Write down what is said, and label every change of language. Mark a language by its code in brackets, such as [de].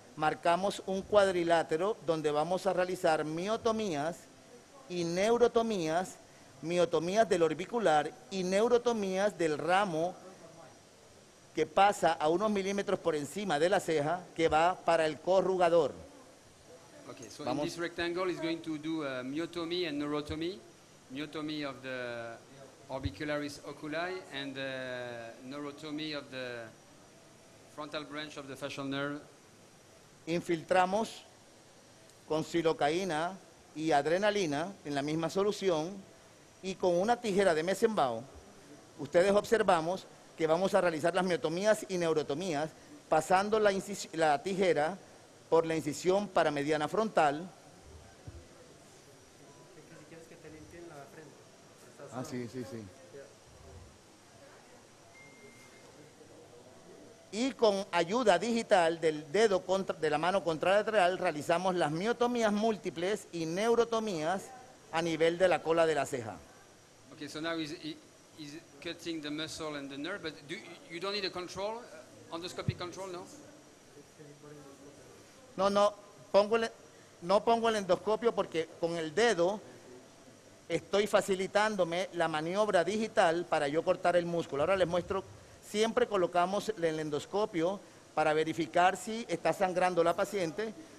[es] Marcamos un cuadrilátero donde vamos a realizar miotomías y neurotomías. Miotomías del orbicular y neurotomías del ramo que pasa a unos milímetros por encima de la ceja que va para el corrugador. [en] Okay, so [es] vamos. [en] In this rectangle is going to do a miotomy and neurotomy. Miotomy of the orbicularis oculi and the neurotomy of the frontal branch of the facial nerve. [es] Infiltramos con silocaína y adrenalina en la misma solución. Y con una tijera de Meissenbau, ustedes observamos que vamos a realizar las miotomías y neurotomías pasando la tijera por la incisión paramediana frontal. Ah, sí, sí, sí. Y con ayuda digital del dedo de la mano contralateral realizamos las miotomías múltiples y neurotomías a nivel de la cola de la ceja. [en] Okay, so now he's cutting the muscle and the nerve, but you don't need a control, endoscopic control, no? [es] No pongo el endoscopio porque con el dedo estoy facilitándome la maniobra digital para yo cortar el músculo. Ahora les muestro, siempre colocamos el endoscopio para verificar si está sangrando la paciente.